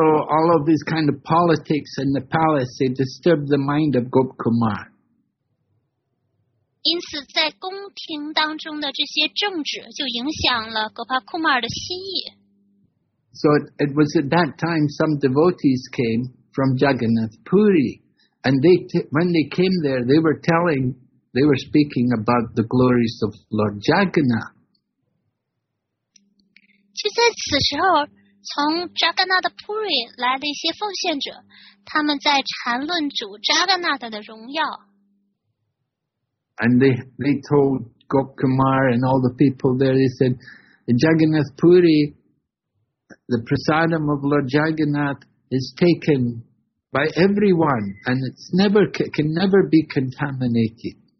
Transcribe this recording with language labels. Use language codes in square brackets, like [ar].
[en] all of these kind of politics in the palace, they disturb the mind of Gop Kumar. [zh] 因此在宫廷当中的这些政治就影响了戈帕库马尔的心意。So [en] it was at that time some devotees came from Jagannath Puri, and when they came there, they were speaking about the glories of Lord Jagannath. [zh] 就在此时候，从扎格纳的普瑞来的一些奉献者，他们在谈论主扎格纳的荣耀。 [en] And they told Gop Kumar and all the people there, they said, in Jagannath Puri, the prasadam of Lord Jagannath is taken by everyone and it can never be contaminated.